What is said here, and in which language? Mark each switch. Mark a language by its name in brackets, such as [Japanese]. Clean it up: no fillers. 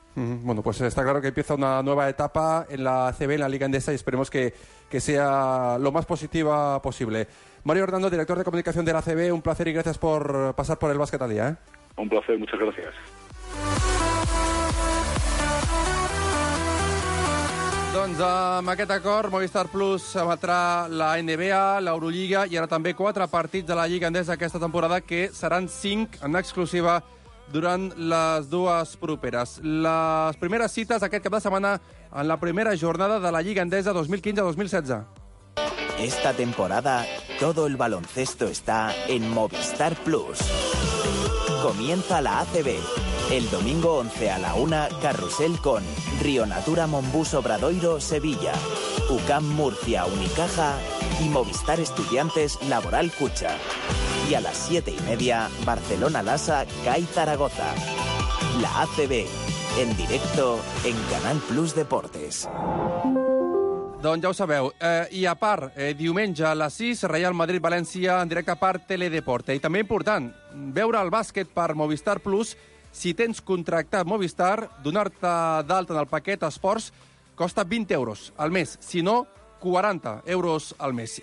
[Spanish] Bueno, pues está claro que empieza una nueva etapa en la ACB, en la Liga Endesa, y esperemos que sea lo más positiva posible. Mario Hernando, director de comunicación de la ACB, un placer y gracias por pasar por el Básquet al Día. Un placer, muchas gracias. [Catalan] 11 amb aquest acord, Movistar Plus emetrà la NBA, l'Euroliga i ara també 4 partits de la Lliga Endesa aquesta temporada, que seran 5 en exclusiva durant les dues properes. Les primeres cites aquest cap de setmana en la primera jornada de la Lliga Endesa 2015-2016. [Spanish] Esta temporada, todo el baloncesto está en Movistar Plus. Comienza la ACB. El domingo 11 a la 1, carrusel con Rionatura Mombús Obradoiro Sevilla, UCAM Murcia Unicaja y Movistar Estudiantes Laboral Cucha. Y a las 7:30, Barcelona Lasa CAI Zaragoza. La ACB, en directo en Canal Plus Deportes. [Catalan] Doncs ja ho sabeu. I a part, diumenge a les 6, Real Madrid-València en directe per Teledeporte. I també important, veure el bàsquet per Movistar Plus. Si tens contractat Movistar, donar-te d'alta en el paquet esports costa 20 euros al mes, si no, 40 euros al mes.